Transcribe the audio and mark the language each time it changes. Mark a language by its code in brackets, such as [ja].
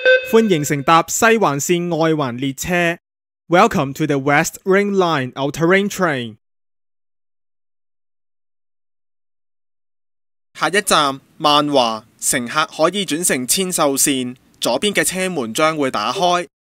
[zh] 欢迎乘搭西环线外环列车。 [en] Welcome to the West Ring Line All-Terrain Train. [zh] 下一站漫华，乘客可以转乘千寿线，左边的车门将会打开。